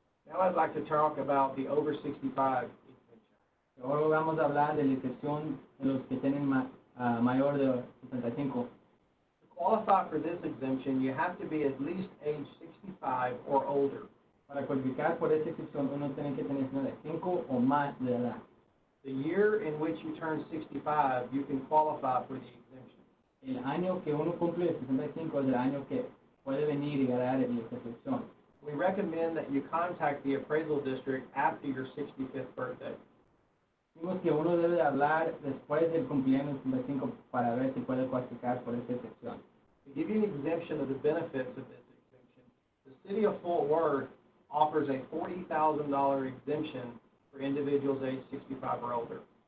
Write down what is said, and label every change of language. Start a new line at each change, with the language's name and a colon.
English: Now I'd like to talk about the over 65 exemption.
Spanish: Ahora vamos a hablar de la exención de los que tienen mayor de 65.
English: Qualify for this exemption, you have to be at least age 65 or older.
Spanish: Para cualificar por esta exención, uno tiene que tener 65 o más de edad.
English: The year in which you turn 65, you can qualify for the exemption.
Spanish: El año que uno cumple 65 es el año que puede venir y ganar esta exención.
English: We recommend that you contact the appraisal district after your 65th birthday.
Spanish: Digamos que uno debe hablar después del cumpleaños 65 para ver si puede cualificar por esta exención.
English: To give you an exemption of the benefits of this exemption, the City of Fort Worth offers a $40,000 exemption for individuals age 65 or older.